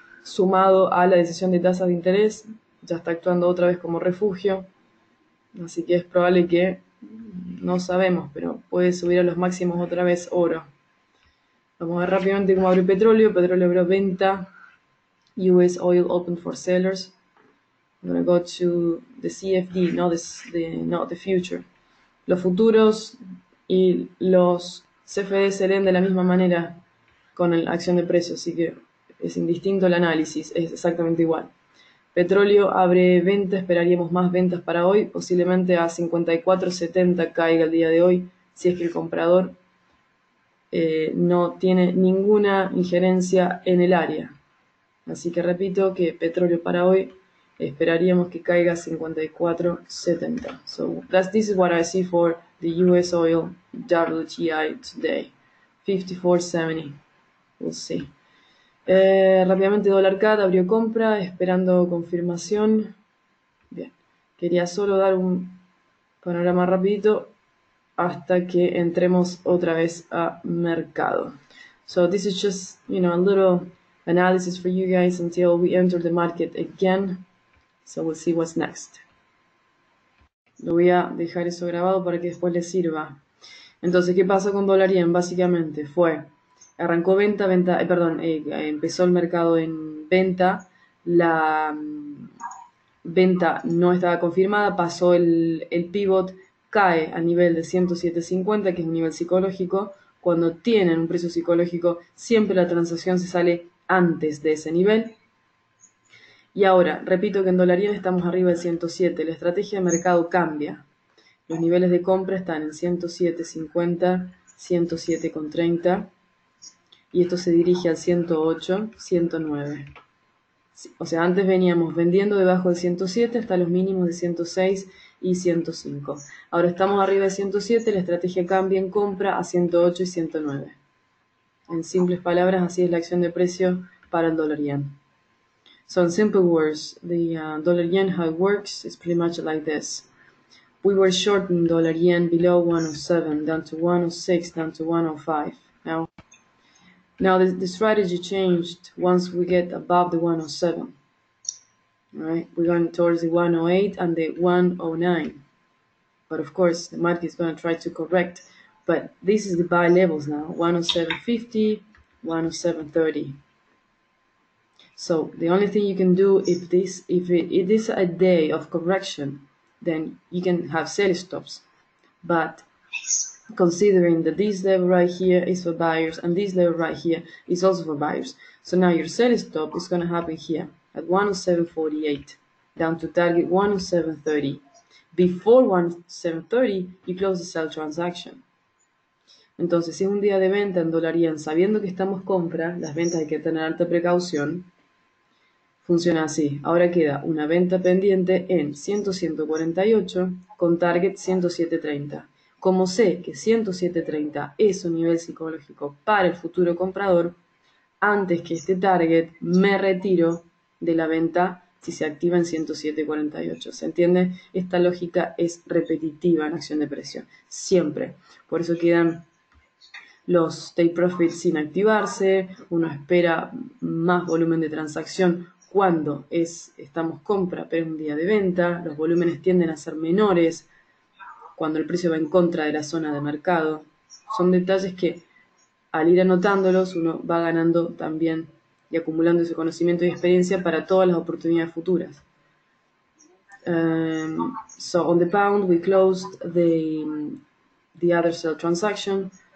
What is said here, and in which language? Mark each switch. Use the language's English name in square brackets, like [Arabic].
[Spanish] Sumado a la decisión de tasas de interés. Ya está actuando otra vez como refugio. Así que es probable que, no sabemos, pero puede subir a los máximos otra vez oro. Vamos a ver rápidamente cómo abre el petróleo. Petróleo abrió venta. [English] US Oil Open for Sellers. I'm gonna go to the CFD, not not the future. [Spanish] Los futuros y los CFD se leen de la misma manera con la acción de precio, así que es indistinto el análisis, es exactamente igual. Petróleo abre venta, esperaríamos más ventas para hoy, posiblemente a 54.70 caiga el día de hoy, si es que el comprador no tiene ninguna injerencia en el área. Así que repito que petróleo para hoy esperaríamos que caiga 54.70. [English] So this is what I see for the US oil WTI today. [Spanish] 54.70. [English] We'll see. [Spanish] Rápidamente dólar CAD abrió compra esperando confirmación. Bien, quería solo dar un panorama rapidito hasta que entremos otra vez a mercado. [English] So this is just, a little analysis for you guys until we enter the market again. So we'll see what's next. [Spanish] Lo voy a dejar eso grabado para que después le sirva. Entonces, ¿qué pasa con dólar yen? Básicamente fue, arrancó venta, venta, perdón, empezó el mercado en venta. La venta no estaba confirmada, pasó el pivot, cae a nivel de 107.50, que es un nivel psicológico. Cuando tienen un precio psicológico, siempre la transacción se sale antes de ese nivel. Y ahora, repito que en dólar yen estamos arriba de 107. La estrategia de mercado cambia. Los niveles de compra están en 107.50, 107.30. Y esto se dirige al 108, 109. O sea, antes veníamos vendiendo debajo de 107 hasta los mínimos de 106 y 105. Ahora estamos arriba de 107, la estrategia cambia en compra a 108 y 109. En simples palabras, así es la acción de precio para el dólar yen. [English] So in simple words, the dollar yen, how it works, is pretty much like this. We were short in dollar yen below 107, down to 106, down to 105. Now the strategy changed once we get above the 107. All right, we're going towards the 108 and the 109. But of course, the market is going to try to correct. But this is the buy levels now, 107.50, 107.30. So the only thing you can do if it is a day of correction, then you can have sell stops. But considering that this level right here is for buyers and this level right here is also for buyers, so now your sell stop is going to happen here at 107.48, down to target 107.30. Before 107.30, you close the sell transaction. [Spanish] Entonces, si es un día de venta en dólar yen, sabiendo que estamos compra, las ventas hay que tener alta precaución. Funciona así. Ahora queda una venta pendiente en 100.148 con target 107.30. Como sé que 107.30 es un nivel psicológico para el futuro comprador, antes que este target me retiro de la venta si se activa en 107.48. ¿Se entiende? Esta lógica es repetitiva en acción de precio. Siempre. Por eso quedan los take profits sin activarse. Uno espera más volumen de transacción. Cuando estamos compra, pero es un día de venta, los volúmenes tienden a ser menores cuando el precio va en contra de la zona de mercado. Son detalles que al ir anotándolos uno va ganando también y acumulando ese conocimiento y experiencia para todas las oportunidades futuras. [English] So on the pound we closed the other sell transaction.